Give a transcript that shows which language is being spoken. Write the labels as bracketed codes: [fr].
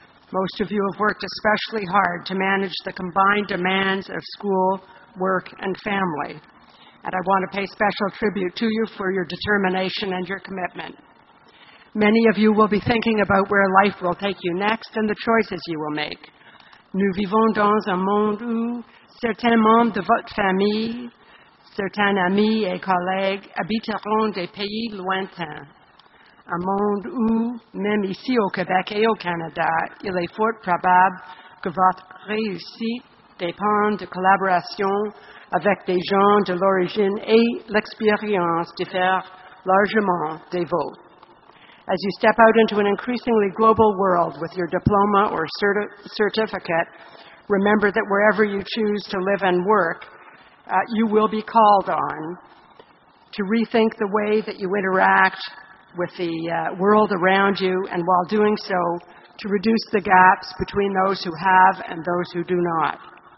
[en] Most of you have worked especially hard to manage the combined demands of school, work, and family. And I want to pay special tribute to you for your determination and your commitment. Many of you will be thinking about where life will take you next and the choices you will make. [fr] Nous vivons dans un monde où certains membres de votre famille, certains amis et collègues habiteront des pays lointains. Un monde où, même ici au Québec et au Canada, il est fort probable que votre réussite dépend de collaboration avec des gens de l'origine et l'expérience diffère largement des vôtres. [en] As you step out into an increasingly global world with your diploma or certificate, remember that wherever you choose to live and work, you will be called on to rethink the way that you interact with the world around you, and while doing so, to reduce the gaps between those who have and those who do not.